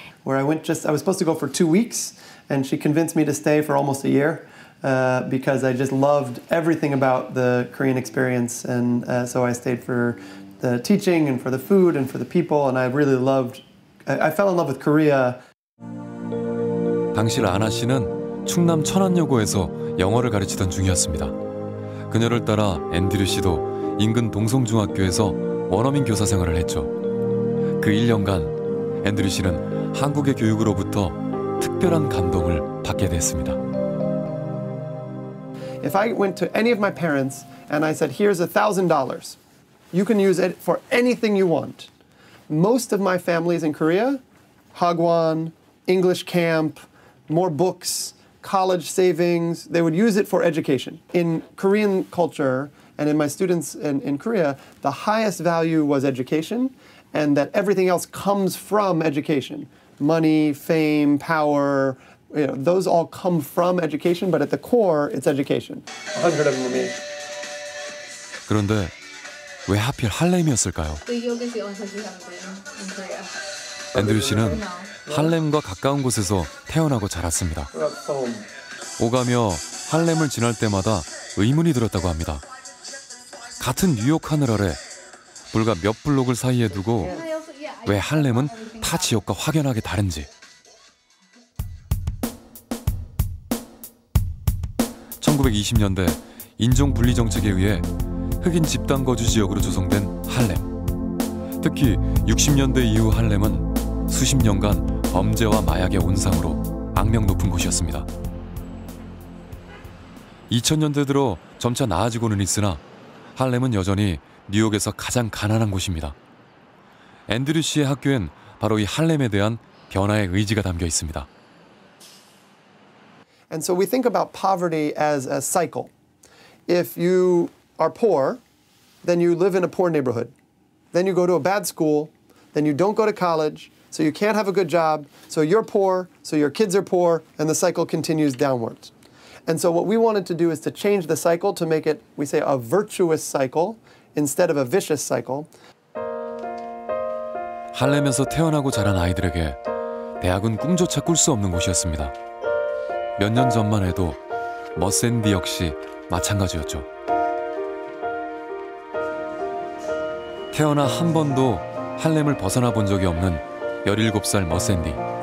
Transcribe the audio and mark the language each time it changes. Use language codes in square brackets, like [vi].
[en] Where I went I was supposed to go for 2 weeks, and she convinced me to stay for almost a year because I just loved everything about the Korean experience. And so I stayed for the teaching and for the food and for the people. And I really loved, I fell in love with Korea. [ko] 당시 라나 씨는 충남 천안여고에서 영어를 가르치던 중이었습니다. 그녀를 따라 앤드류 씨도 인근 동성중학교에서 원어민 교사 생활을 했죠. 그 1년간 앤드류 씨는 한국의 교육으로부터 특별한 감동을 받게 됐습니다. [en] If I went to any of my parents and I said, here's $1,000, you can use it for anything you want. Most of my families in Korea, Hagwon, English camp, more books, college savings, they would use it for education. In Korean culture, and in my students in Korea, the highest value was education, and that everything else comes from education. Money, fame, power, you know, those all come from education, but at the core, it's education. 100 of them for me. [ko] 그런데 왜 하필 할렘이었을까요? 앤드류 씨는 할렘과 가까운 곳에서 태어나고 자랐습니다. 오가며 할렘을 지날 때마다 의문이 들었다고 합니다. 같은 뉴욕 하늘 아래 불과 몇 블록을 사이에 두고 왜 할렘은 타 지역과 확연하게 다른지. 1920년대 인종분리 정책에 의해 흑인 집단 거주 지역으로 조성된 할렘. 특히 60년대 이후 할렘은 수십 년간 범죄와 마약의 온상으로 악명 높은 곳이었습니다. 2000년대 들어 점차 나아지고는 있으나 할렘은 여전히 뉴욕에서 가장 가난한 곳입니다. 앤드류 씨의 학교엔 바로 이 할렘에 대한 변화의 의지가 담겨 있습니다. [en] And so we think about poverty as a cycle. If you are poor, then you live in a poor neighborhood. Then you go to a bad school, then you don't go to college. So you can't have a good job, so you're poor, so your kids are poor, and the cycle continues downwards. And so what we wanted to do is to change the cycle to make it, we say, a virtuous cycle instead of a vicious cycle. [ko] 할렘에서 태어나고 자란 아이들에게 대학은 꿈조차 꿀 수 없는 곳이었습니다. 몇 년 전만 해도 머샌디 역시 마찬가지였죠. 태어나 한 번도 할렘을 벗어나 본 적이 없는 17살 머샌디.